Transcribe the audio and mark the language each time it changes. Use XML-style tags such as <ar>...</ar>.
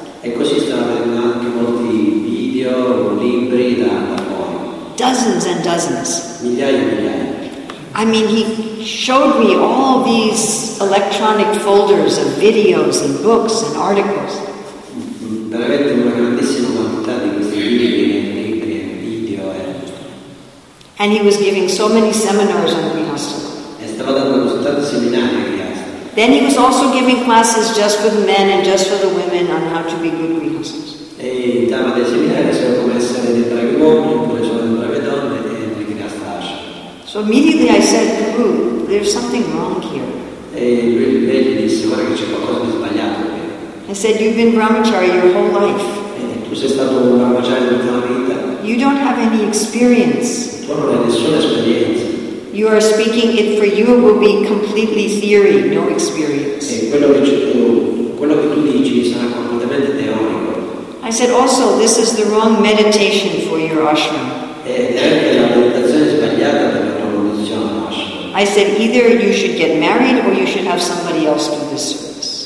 <it>E così stava vedendo anche molti video, libri da fuori.</it> <en>Dozens and dozens.</en> <it>Migliaia e migliaia.</it> <en>I mean, showed me all these electronic folders of videos and books and articles.</en> <it>Veramente una grandissima quantità di questi libri e video.</it> <en>And he was giving so many seminars on Grihastha.</en> <it>E stava dando così tanti seminari a Grihastha.</it> <en>Then he was also giving classes just for the men and just for the women on how to be good Grihasthas.</en> <it>E dava dei seminari solo come essere dei bravi uomini oppure solo delle brave donne e dei Grihasthas.</it> <en>So immediately I said, Prabhu, there's something wrong here.</en> <it>E lui gli disse, guarda che c'è qualcosa di sbagliato.</it> <en>I said, you've been brahmachari your whole life.</en> <it>Tu sei stato un brahmachari tutta la vita.</it> <en>You don't have any experience.</en> <it>Tu non hai nessuna esperienza.</it> <en>You are speaking it for you will be completely theory, no experience.</en> <it>Quello che tu dici sarà completamente teorico.</it> <en>I said, also, this is the wrong meditation for your ashram. I said, either you should get married or you should have somebody else do this.</en>